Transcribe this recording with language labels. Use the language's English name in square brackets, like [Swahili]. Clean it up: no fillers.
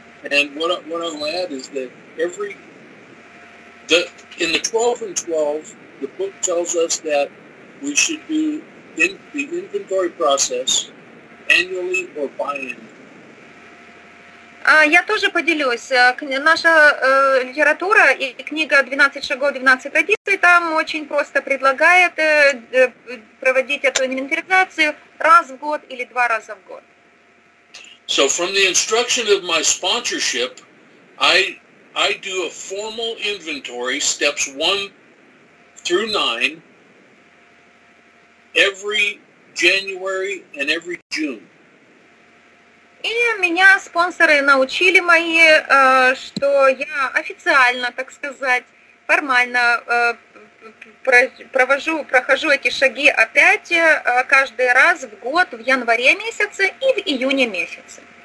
[English] And what I'll add is that in the 12 and 12, the book tells us that we should do the inventory process annually or biannually. [Russian] Я тоже поделюсь. Наша литература и книга 12 шагов 12 традиций там очень просто предлагает проводить эту инвентаризацию раз в год или два раза в год. [English] So from the instruction of my sponsorship, I do a formal inventory, steps 1 through 9, every January and every June. [Russian] И меня спонсоры научили мои, что я официально, так сказать, формально прохожу эти шаги опять каждый раз в год в январе месяце и в июне месяце.